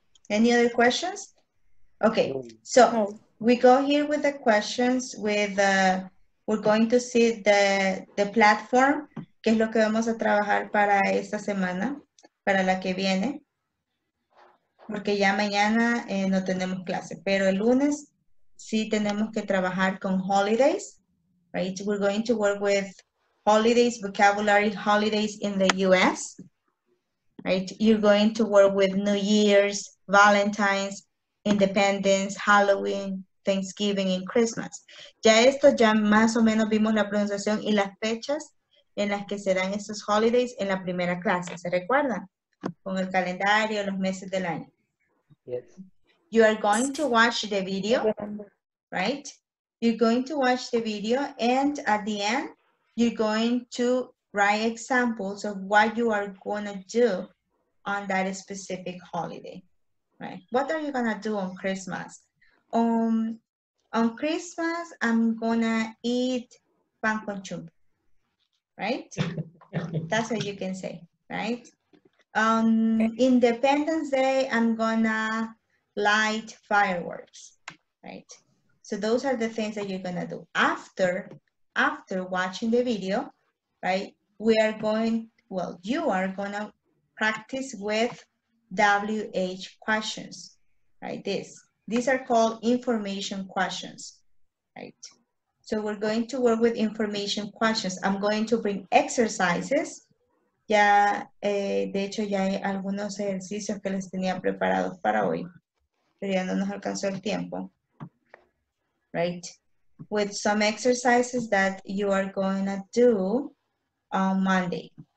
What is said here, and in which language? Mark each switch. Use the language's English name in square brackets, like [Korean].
[English] Any other questions? Okay, so we go here with the questions with we're going to see the platform, [Spanish] que es lo que vamos a trabajar para esta semana, para la que viene. Porque ya mañana no tenemos clase, pero el lunes sí tenemos que trabajar con holidays, right? [English] We're going to work with holidays, vocabulary, holidays in the US, right? You're going to work with New Year's, Valentine's, Independence, Halloween, Thanksgiving, and Christmas. [Spanish] Ya esto, ya más o menos vimos la pronunciación y las fechas en las que se dan estos holidays en la primera clase, ¿se recuerdan? Con el calendario, los meses del año. [English] Yes. You are going to watch the video, right? You're going to watch the video, and at the end, you're going to write examples of what you are going to do on that specific holiday, right? What are you going to do on Christmas? On Christmas, I'm going to eat pan con chumbo, right? That's what you can say, right? Independence Day, I'm gonna light fireworks, right? So those are the things that you're gonna do. After watching the video, right, you are gonna practice with WH questions, right? These are called information questions, right? So we're going to work with information questions. I'm going to bring exercises. [Spanish] Ya, de hecho, ya hay algunos ejercicios que les tenía preparados para hoy, pero ya no nos alcanzó el tiempo. [English] Right? With some exercises that you are going to do on Monday.